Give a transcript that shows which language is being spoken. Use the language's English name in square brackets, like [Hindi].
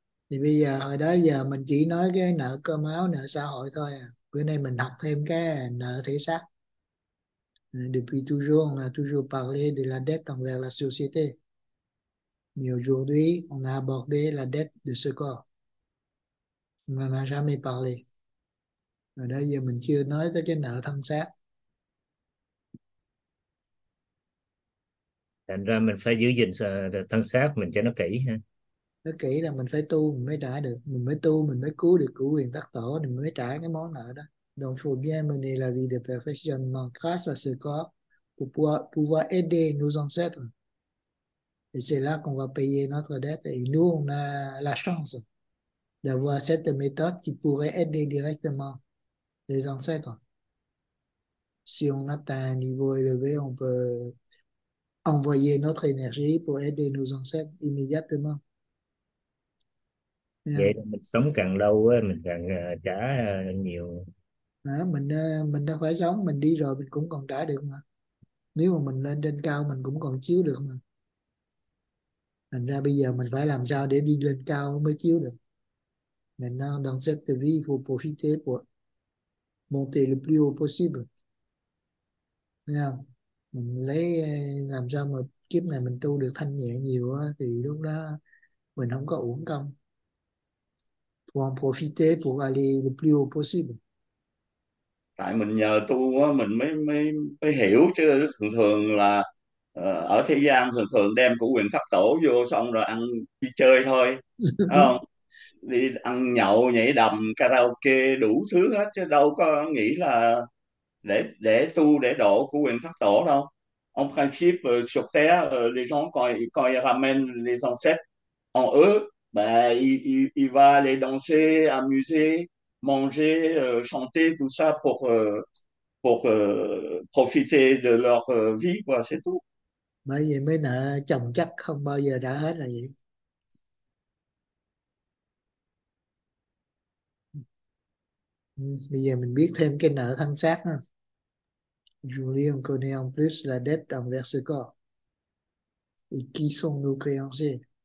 [Vietnamese] thì bây giờ ở đó giờ mình chỉ nói cái nợ cơm áo nợ xã hội thôi à. Bữa nay mình học thêm cái nợ thể xác. [French] Depuis toujours on a toujours parlé de la dette envers la société. Mais aujourd'hui on a abordé la dette de ce corps. On n'en a jamais parlé. [Vietnamese] Ở đó giờ mình chưa nói tới cái nợ thân xác. Thành ra mình phải giữ gìn thân xác mình cho nó kỹ ha. Nó kỹ là mình phải tu mình mới trả được, mình mới tu mình mới cứu được cửu quyền tắc tổ thì mình mới trả cái món nợ đó. [French] Donc faut bien mener la vie de perfection grâce à ce corps pour pouvoir aider nos ancêtres. Et c'est là qu'on va payer notre dette. Et nous, on a la chance d'avoir cette méthode qui pourrait aider directement les ancêtres. Si on atteint un niveau élevé, on peut envoyer notre énergie pour aider nos ancêtres immédiatement. [Vietnamese] Vậy là mình sống càng lâu á mình càng trả nhiều. Mình đã phải sống, mình đi rồi mình cũng còn trả được mà. Nếu mà mình lên trên cao mình cũng còn chiếu được mà. Thành ra bây giờ mình phải làm sao để đi lên cao mới chiếu được. [French] Maintenant, dans cette vie, il faut profiter pour monter le plus haut possible. [Vietnamese] Mình lấy làm sao mà kiếp này mình tu được thanh nhẹ nhiều á, thì lúc đó mình không có uổng công. [French] Pour en profiter pour aller le plus haut possible. [Vietnamese] Tại mình nhờ tu á, mình mới mới mới hiểu chứ thường thường là ở thế gian thường thường đem cửu quyền thất tổ vô xong rồi ăn đi chơi thôi, không đi ăn nhậu nhảy đầm karaoke đủ thứ hết chứ đâu có nghĩ là để tu để độ cửu quyền thất tổ đâu. [French] Ông Francis sur terre les gens quand ils ramènent les ancêtres en eux ben il va les danser amuser manger, chanter, tout ça pour profiter de leur vie, quoi, c'est tout. [Vietnamese] Bởi vì mấy nợ chồng chất không bao giờ trả hết là vậy. Bây giờ mình biết thêm cái nợ thân xác ha. [French] Julien connaît en plus la dette envers ce corps. Et qui sont nos créanciers?